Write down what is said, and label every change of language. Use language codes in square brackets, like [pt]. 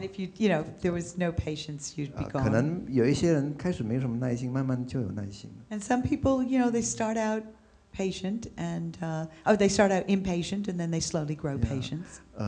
[en] if you know, if there was no patience, you'd be gone. [zh] 可能有一些人开始没什么耐心，慢慢就有耐心。 [en] And some people, you know, they start out patient and, they start out impatient and then they slowly grow patience.